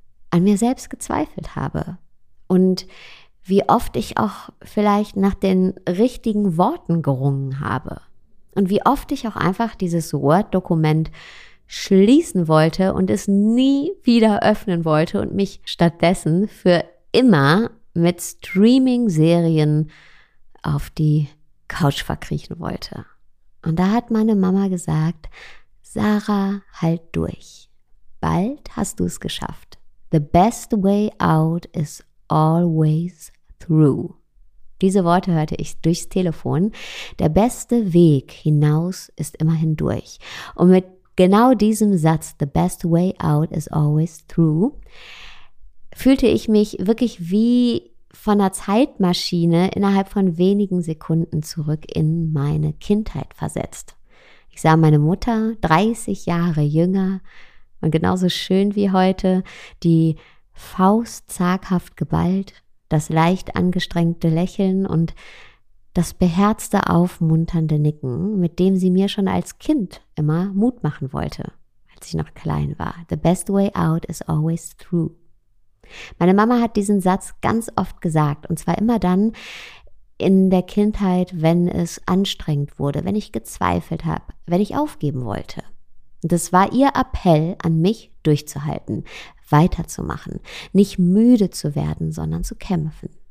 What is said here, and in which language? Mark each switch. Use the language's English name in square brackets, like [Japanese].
[German] an mir selbst gezweifelt habe und wie oft ich auch vielleicht nach den richtigen Worten gerungen habe und wie oft ich auch einfach dieses Word-Dokument schließen wollte und es nie wieder öffnen wollte und mich stattdessen für immer mit Streaming-Serien auf die Couch verkriechen wollte. Und da hat meine Mama gesagt, Sarah, halt durch. Bald hast du es geschafft. [English] The best way out is always through. [German] Diese Worte hörte ich durchs Telefon. Der beste Weg hinaus ist immerhin durch. Und mit genau diesem Satz, [English] the best way out is always through, [German] fühlte ich mich wirklich wie von einer Zeitmaschine innerhalb von wenigen Sekunden zurück in meine Kindheit versetzt. Ich sah meine Mutter, 30 Jahre jünger und genauso schön wie heute, die Faust zaghaft geballt, das leicht angestrengte Lächeln und das beherzte, aufmunternde Nicken, mit dem sie mir schon als Kind immer Mut machen wollte, als ich noch klein war. [English] The best way out is always through. [German] Meine Mama hat diesen Satz ganz oft gesagt und zwar immer dann in der Kindheit, wenn es anstrengend wurde, wenn ich gezweifelt habe, wenn ich aufgeben wollte. Und das war ihr Appell an mich, durchzuhalten, weiterzumachen, nicht müde zu werden, sondern zu kämpfen.